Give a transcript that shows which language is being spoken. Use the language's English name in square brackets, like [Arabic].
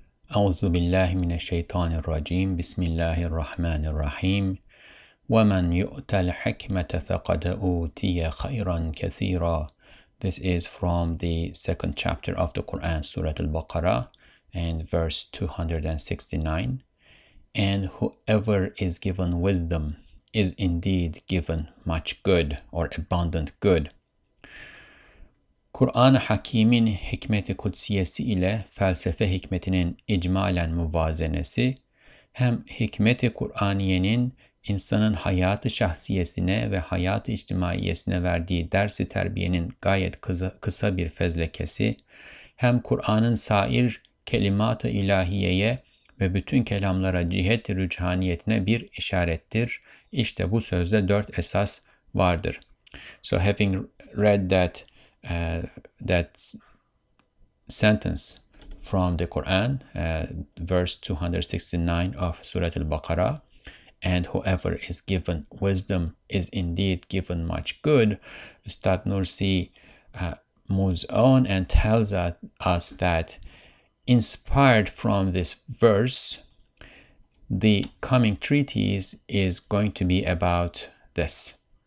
[Arabic] أعوذ بالله من الشيطان الرجيم بسم الله الرحمن الرحيم ومن يؤت الحكمة فقد أوتي خيرا كثيرا. [English] This is from the second chapter of the Quran, Surah Al-Baqarah, and verse 269. And whoever is given wisdom is indeed given much good or abundant good. [Turkish] Kur'an-ı Hakîm'in hikmeti kutsiyesi ile felsefe hikmetinin icmalen muvazenesi, hem hikmeti Kur'aniyenin insanın hayatı şahsiyesine ve hayatı içtimaiyesine verdiği dersi terbiyenin gayet kısa bir fezlekesi, hem Kur'an'ın sair kelimat-ı ilahiyeye ve bütün kelamlara cihet-i rüçhaniyetine bir işarettir. İşte bu sözde dört esas vardır. [English] So having read that that sentence from the Quran, verse 269 of Surah Al-Baqarah, and whoever is given wisdom is indeed given much good, Ustad Nursi moves on and tells us that inspired from this verse, the coming treatise is going to be about this.